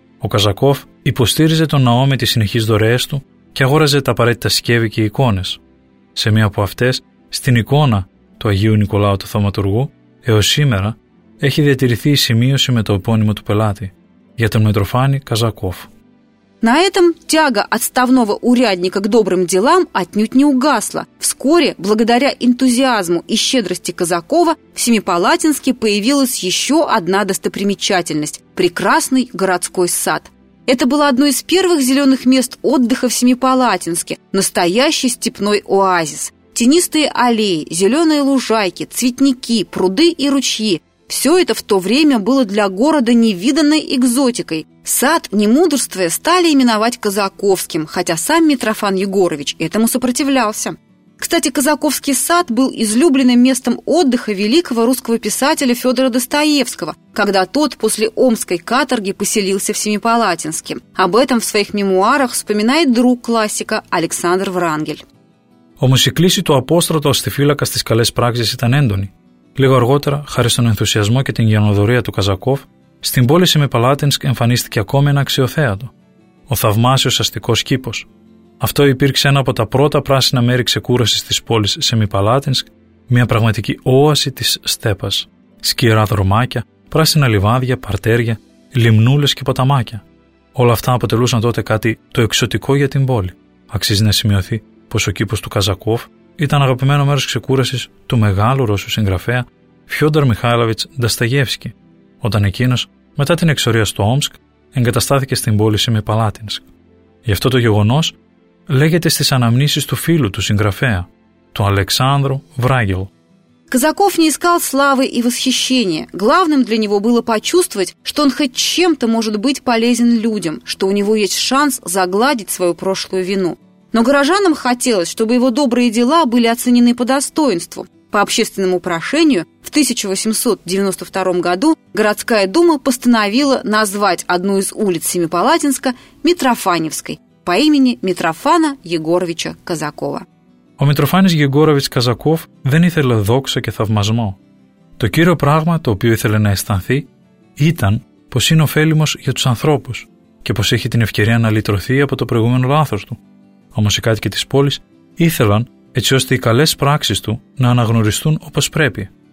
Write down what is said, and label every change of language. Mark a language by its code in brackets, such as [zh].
[el] Ο Καζακόφ υποστήριζε τον ναό με τις συνεχείς δωρεές του και αγόραζε τα απαραίτητα σκεύη και εικόνες. Σε μία από αυτές, στην εικόνα του Αγίου Νικολάου του Θαυματουργού, έως σήμερα έχει διατηρηθεί η σημείωση με το επώνυμο του πελάτη, για τον Μητροφάνη Καζακόφ. [ru] На этом тяга отставного урядника к добрым делам отнюдь не угасла. Вскоре, благодаря энтузиазму и щедрости Казакова, в Семипалатинске появилась еще одна достопримечательность – прекрасный городской сад. Это было одно из первых зеленых мест отдыха в Семипалатинске – настоящий степной оазис. Тенистые аллеи, зеленые лужайки, цветники, пруды и ручьи – все это в то время было для города невиданной экзотикой. Сад, не мудрствуя, стали именовать Казаковским, хотя сам Митрофан Егорович этому сопротивлялся. Кстати, Казаковский сад был излюбленным местом отдыха великого русского писателя Федора Достоевского, когда тот после омской каторги поселился в Семипалатинске. Об этом в своих мемуарах вспоминает друг классика Александр Врангель. [el] Όμως η κλίση του απόστρατου αστιφύλακα στις καλές πράξεις ήταν έντονη. Λίγο αργότερα, χάρη στον ενθουσιασμό και την γενναιοδορία του Καζακόφ, στην πόλη Σεμιπαλάτινσκ εμφανίστηκε ακόμη ένα αξιοθέατο, ο θαυμάσιος αστικός κήπος. Αυτό υπήρξε ένα από τα πρώτα πράσινα μέρη ξεκούρασης της πόλης Σεμιπαλάτινσκ, μια πραγματική όαση της στέπας. Σκυρά δρομάκια, πράσινα λιβάδια, παρτέρια, λιμνούλες και ποταμάκια. Όλα αυτά αποτελούσαν τότε κάτι το εξωτικό για την πόλη. Αξίζει να σημειωθεί πως ο κήπος του Καζακόφ ήταν αγαπημένο μέρος ξεκούρασης του μεγάλου Ρώσου συγγραφέα Φιόντορ Μιχάιλοβιτς Νταστογεύσκη, όταν εκείνος, μετά την εξορία στο Όμσκ, εγκαταστάθηκε στην πόλη Σεμιπαλάτινσκ. Γι' αυτό το γεγονός λέγεται στις αναμνήσεις του φίλου του συγγραφέα, του Αλεξάνδρου Βράγγελ. [ru] Казаков не искал славы и восхищения. Главным для него было почувствовать, что он хоть чем-то может быть полезен людям, что у него есть шанс загладить свою прошлую вину. Но горожанам хотелось, чтобы его добрые дела были оценены по достоинству. По общественному прошению в 1892 году городская дума постановила назвать одну из улиц Семипалатинска Митрофаневской по имени Митрофана Егоровича Казакова. [el] Ο Митрофάνης Γεγόροβιτς Καζακόφ δεν ήθελε δόξα και θαυμασμό. Το κύριο πράγμα το οποίο ήθελε να αισθανθεί ήταν πως είναι ωφέλιμος για τους ανθρώπους και πως έχει την ευκαιρία να λυτρωθεί από το προηγούμενο λάθος του. Όμως οι κάτοικοι της πόλης ήθελαν έτσι ώστε οι καλές πράξεις του να αναγνωριστούν όπως πρέπει.